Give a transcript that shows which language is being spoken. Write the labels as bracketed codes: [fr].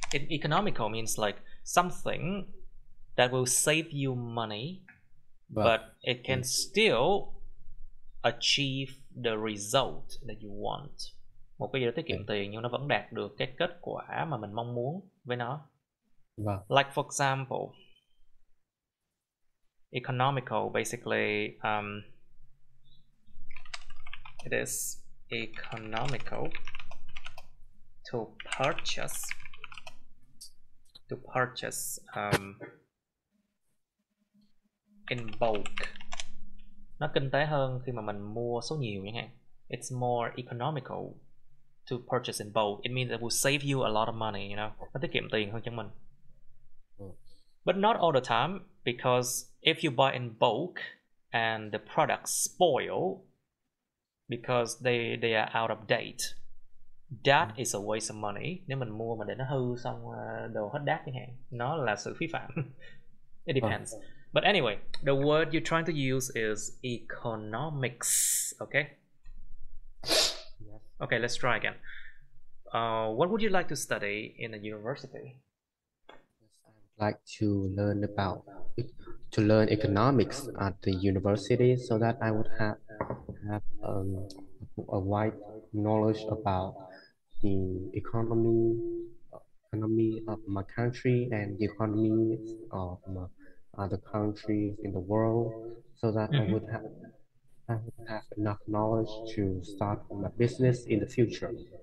[en] Economical means like something that will save you money, but it can still achieve the result that you want. [vi] Một cái gì đó tiết kiệm tiền nhưng nó vẫn đạt được cái kết quả mà mình mong muốn với nó. [en] Like for example, economical basically it is economical to purchase in bulk. [vi] Nó kinh tế hơn khi mà mình mua số nhiều nhé. [en] It's more economical to purchase in bulk. It means it will save you a lot of money, you know. [vi] Nó tiết kiệm tiền hơn cho mình. [en] But not all the time, because if you buy in bulk and the products spoil because they are out of date, that is a waste of money. [vi] Nếu mình mua mà để nó hư xong đồ hết đát chẳng hạn, nó là sự phí phạm. [en] It depends. But anyway, the word you're trying to use is economics, okay? Okay, let's try again. What would you like to study in a university? Like to learn about to learn economics at the university so that I would have a wide knowledge about the economy of my country and the economy of other countries in the world so that I would have enough knowledge to start my business in the future.